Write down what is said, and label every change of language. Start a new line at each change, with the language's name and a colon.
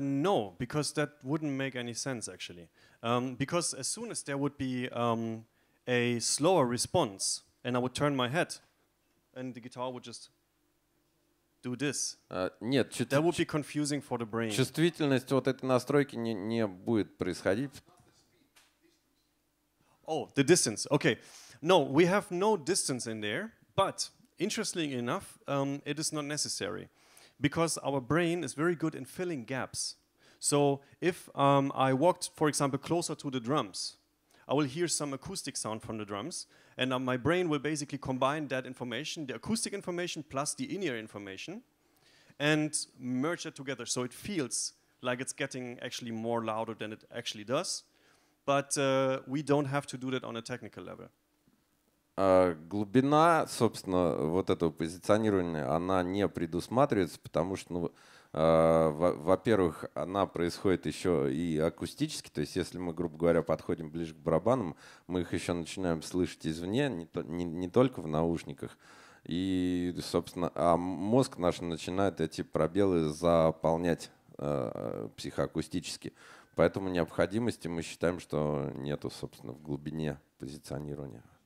English: No, because that wouldn't make any sense, actually. Because as soon as there would be a slower response, and I would turn my head, and the guitar would just do this.
Russian: Нет,
English: that would be confusing for the brain.
Russian: Чувствительность вот этой настройки не будет происходить.
English: Oh, the distance. Okay. No, we have no distance in there, but interestingly enough, it is not necessary. Because our brain is very good in filling gaps. So if I walked, for example, closer to the drums, I will hear some acoustic sound from the drums, and my brain will basically combine that information, the acoustic information plus the in-ear information, and merge it together. So it feels like it's getting actually more louder than it actually does. But we don't have to do that on a technical level.
Russian: Глубина, собственно, вот этого позиционирования, она не предусматривается, потому что, ну, во-первых, она происходит еще и акустически, то есть если мы, грубо говоря, подходим ближе к барабанам, мы их еще начинаем слышать извне, не только в наушниках, и, собственно, а мозг наш начинает эти пробелы заполнять психоакустически, поэтому необходимости мы считаем, что нету, собственно, в глубине позиционирования.